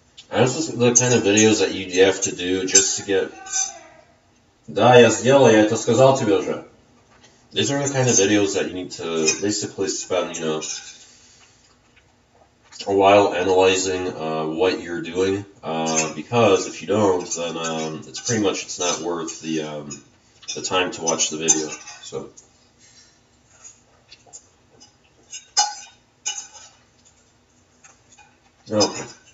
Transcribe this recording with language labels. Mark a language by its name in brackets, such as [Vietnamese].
[English] And this is the kind of videos that you have to do just to get. [Russian] Да, я сделал, я это сказал тебе уже. [English] These are the kind of videos that you need to basically spend, you know, while analyzing what you're doing, because if you don't, then it's pretty much it's not worth the time to watch the video. So okay.